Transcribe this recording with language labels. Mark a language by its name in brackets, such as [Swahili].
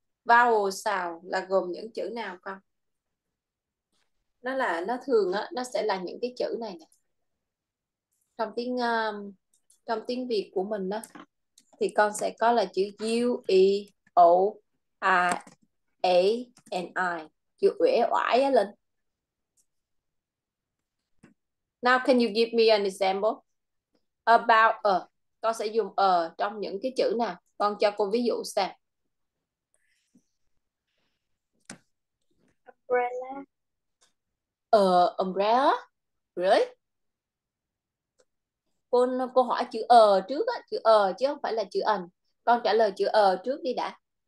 [Vietnamese] Vowel sound là gồm những chữ nào con? Nó là nó thường á, nó sẽ là những cái chữ này nè. Trong tiếng Việt của mình đó thì con sẽ có là chữ U, E, O, R, A, and I. Chữ uể oải á lên. [English] Now can you give me an example about a? [Vietnamese] Con sẽ dùng a trong những cái chữ nào? Con cho cô ví dụ xem. [English] Umbrella. Umbrella. Really? [Vietnamese] Cô hỏi chữ ờ trước á, chữ ờ chứ không phải là chữ ẩn. Con trả lời chữ ờ trước đi đã.